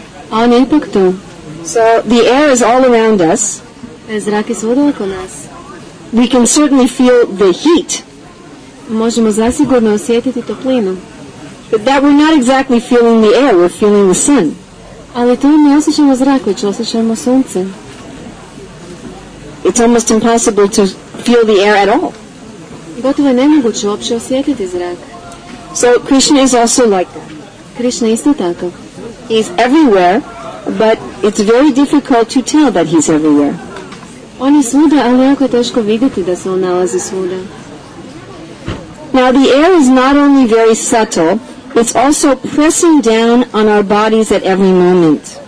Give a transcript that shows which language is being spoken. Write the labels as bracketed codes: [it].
[hr] On je ipak tu. [en] So the air is all around us. [hr] Zrak je svuda oko nas. [en] We can certainly feel the heat. [hr] Možemo zasigurno osjetiti toplinu. [en] But that we're not exactly feeling the air, we're feeling the sun. [hr] Ali to ne osjećamo zrak, već osjećamo sunce. [en] It's almost impossible to feel the air at all. [hr] Gotovo je nemoguće uopće osjetiti zrak. [en] So Krishna is also like that. [hr] Krishna isto tako. [en] He's everywhere, but it's very difficult to tell that he's everywhere. [hr] On je svuda, ali jako je teško vidjeti da se on nalazi svuda. [en] Now the air is not only very subtle, it's also pressing down on our bodies at every moment.